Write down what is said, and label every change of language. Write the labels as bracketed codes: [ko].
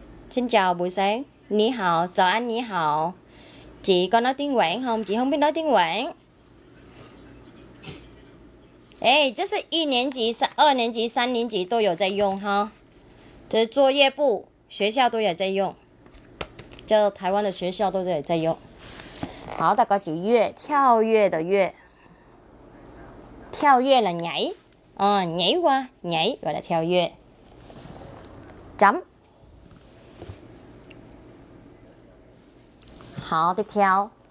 [vi] Xin chào buổi sáng. Ni hao, chào anh ni hao. Chị có nói tiếng Quảng không? Chị không biết nói tiếng Quảng. Ấy, chứ sẽ 1 năm chỉ, 2 năm chỉ, 3 năm chỉ đều có dùng ha. Chứ là [zh] 作业簿, 学校都有在用.Chứ là 台湾的学校都有在用. [vi] Hảo, ta có chữ yue, [zh] 跳跃的跃. 跳跃 [vi] là nhảy. Nhảy qua, nhảy, gọi là 跳跃. Chấm. Hảo, tiếp theo.